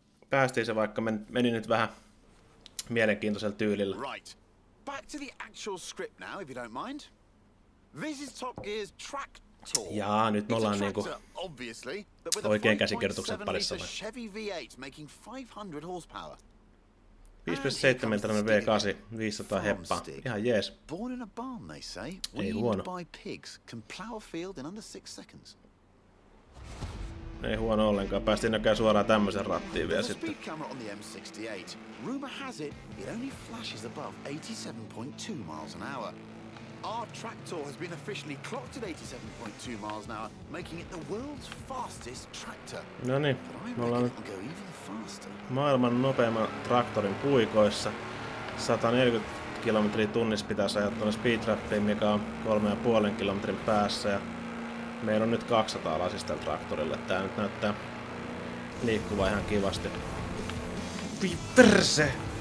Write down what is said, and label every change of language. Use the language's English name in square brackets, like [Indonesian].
[Finnish] päästiin se, vaikka meni nyt vähän mielenkiintoisella tyylillä. [English] Right. Back to the actual script now, if you don't mind. This is Top Gear's track tour. [Finnish] Jaa, nyt me ollaan niinku oikein käsikirjoituksen parissa. [English] Chevy V8 making 500 horsepower. [Finnish] 5.7-litrainen V8, 500 heppaa. Ihan jees. [English] Born in a barn, they say. [Finnish] Ei huono. [English] By pigs, can plow a field in under 6 seconds. [Finnish] Ei huono ollenkaan. Päästiin näköjään suoraan tämmösen rattiin vielä sitten. [English] Speed camera on the M68. Rumor has it, it only flashes above 87.2 miles an hour. Our tractor has been officially clocked at 87.2 miles an hour, making it the world's fastest tractor. [Finnish] No niin, me ollaan maailman nopeimman traktorin puikoissa. 140 kilometriä tunnissa pitäisi ajaa tuonne speed trappiin, mikä on 3,5 kilometrin päässä. Ja meillä on nyt 200 lasista tällä traktorilla. Tää nyt näyttää liikkuvan ihan kivasti. Perse!